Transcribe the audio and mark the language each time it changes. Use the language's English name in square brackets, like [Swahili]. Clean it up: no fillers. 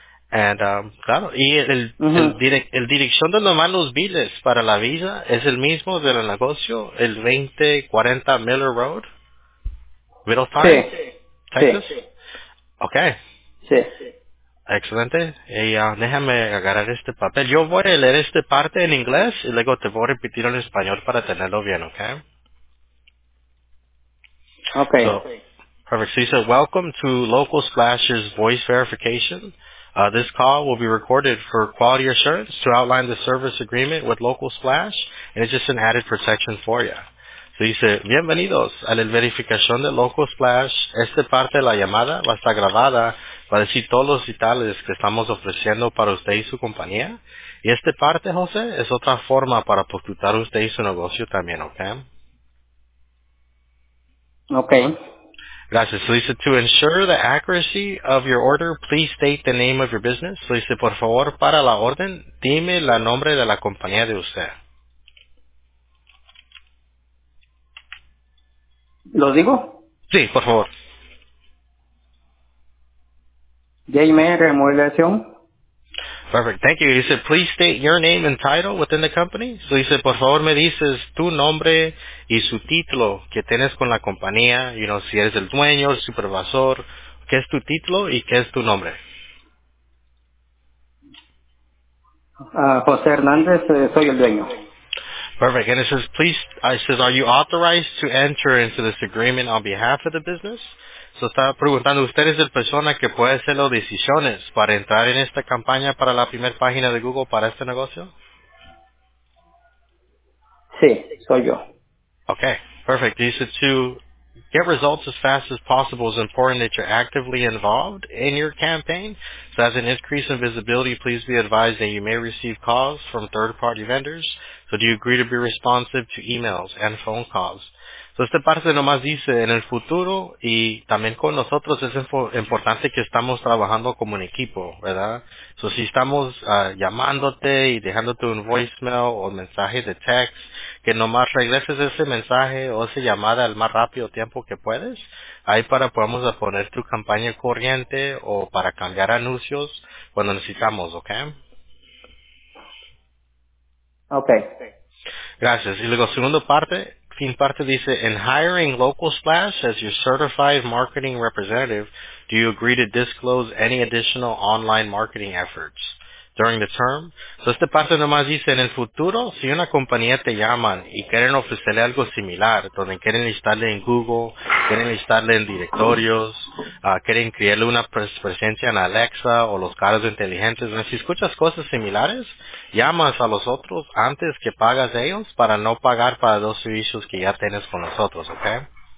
[English] And, [Spanish] claro, y el dirección donde van los biles para la visa es el mismo del negocio, el 2040 Miller Road, Middletown, sí. Texas. Sí. [English] Okay. [Spanish] Sí. Excelente. Y déjame agarrar este papel. Yo voy a leer esta parte en inglés y luego te voy a repetir en español para tenerlo bien, okay? [English] Okay. So, perfect. So you said, welcome to Local Splash's voice verification. This call will be recorded for quality assurance to outline the service agreement with Local Splash, and it's just an added protection for you. [Spanish] Se dice, bienvenidos a la verificación de Loco Splash. Esta parte de la llamada va a estar grabada para decir todos los detalles que estamos ofreciendo para usted y su compañía. Y esta parte, José, es otra forma para postular usted y su negocio también, ¿ok? [English] Ok. [Spanish] Gracias. So dice, [English] to ensure the accuracy of your order, please state the name of your business. [Spanish] So dice, por favor, para la orden, dime el nombre de la compañía de usted. ¿Lo digo? Sí, por favor. Jaime Remodelación. [English] Perfect. Thank you. He said, please state your name and title within the company. So he said, [Spanish] por favor, me dices tu nombre y su título que tienes con la compañía. [English] You know, [Spanish] si eres el dueño, el supervisor. ¿Qué es tu título y qué es tu nombre? José Hernández, soy el dueño. [English] Perfect. And it says, I says, are you authorized to enter into this agreement on behalf of the business? [Spanish] So está preguntando, ¿usted es la persona que puede hacer las decisiones para entrar en esta campaña para la primera página de Google para este negocio? Sí, soy yo. [English] Okay, perfect. He said, to get results as fast as possible, it's important that you're actively involved in your campaign. So as an increase in visibility, please be advised that you may receive calls from third-party vendors. So do you agree to be responsive to emails and phone calls? [Spanish] So esta parte nomás dice, en el futuro y también con nosotros es importante que estamos trabajando como un equipo, ¿verdad? So si estamos llamándote y dejándote un voicemail o mensaje de text, que nomás regreses ese mensaje o esa llamada al más rápido tiempo que puedes, ahí para podamos poner tu campaña corriente o para cambiar anuncios cuando necesitamos, ¿ok? [English] Ok. [Spanish] Gracias. Y luego, segunda parte, fin parte dice, [English] in hiring Local Splash as your certified marketing representative, do you agree to disclose any additional online marketing efforts during the term? [Spanish] So esta parte nomás dice, en el futuro, si una compañía te llaman y quieren ofrecerle algo similar, donde quieren listarle en Google, quieren listarle en directorios, quieren crearle una presencia en Alexa o los carros inteligentes, ¿no? Si escuchas cosas similares, llamas a los otros antes que pagas a ellos para no pagar para dos servicios que ya tienes con nosotros, ¿ok?